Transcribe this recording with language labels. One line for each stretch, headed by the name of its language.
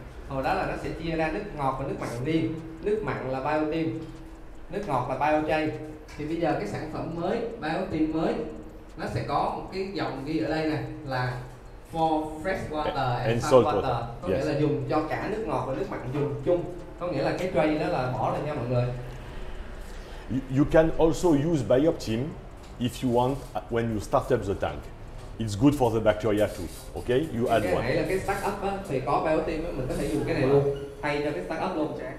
Vietnamese: Hồi đó là nó sẽ chia ra nước ngọt và nước mặn riêng. Nước mặn là BioTeam, nước ngọt là BioJ. Thì bây giờ cái sản phẩm mới, BioTeam mới, nó sẽ có một cái dòng ghi ở đây này là
English: for fresh water and salt water.
Vietnamese: Có nghĩa là dùng cho cả nước ngọt và nước mặn dùng chung. Có nghĩa là cái tray đó là bỏ rồi nha mọi người.
English: You can also use BioTeam if you want when you start up the tank. It's good for the bacteria too. Okay, you add
Vietnamese: cái
English: one.
Vietnamese: Cái này là cái startup á, thì có BioTeam á, mình có thể dùng cái này luôn, thay cho cái startup luôn.